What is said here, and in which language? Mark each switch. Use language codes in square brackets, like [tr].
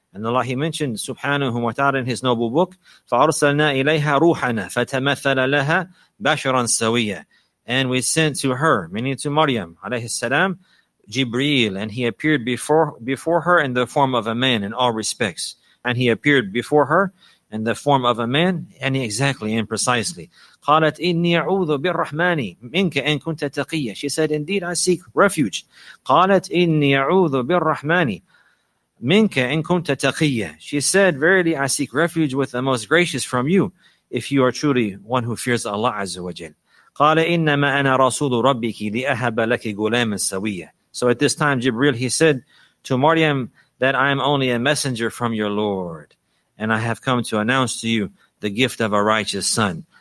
[en] And Allah, he mentioned subhanahu wa ta'ala in his noble book, [ar] فَأَرْسَلْنَا إِلَيْهَا رُوحَنَا فَتَمَثَّلَ لَهَا بَشَرًا سَوِيًّا, [en] and we sent to her, meaning to Maryam alayhi salam, Jibreel, and he appeared before her in the form of a man in all respects. And he appeared before her in the form of a man, and exactly and precisely. [ar] قَالَتْ إِنِّي أَعُوذُ بِالرَّحْمَنِ مِنْكَ إِن كُنْتَ تَقِيَّ, [en] she said, indeed I seek refuge. [ar] قَالَتْ إِنِّي أَعُوذُ بِالرَّحْمَنِ مِنْكَ إِن كُنْتَ تَقِيَّ, [en] she said, verily I seek refuge with the most gracious from you, if you are truly one who fears Allah Azza wa Jal. [ar] قَالَ إِنَّمَا أَنَا رَسُولُ رَبِّكِ لِأَهَبَ لَكِ غُلَامًا سَوِيًّا, [en] so at this time Jibreel, he said to Maryam that I am only a messenger from your Lord, and I have come to announce to you the gift of a righteous son.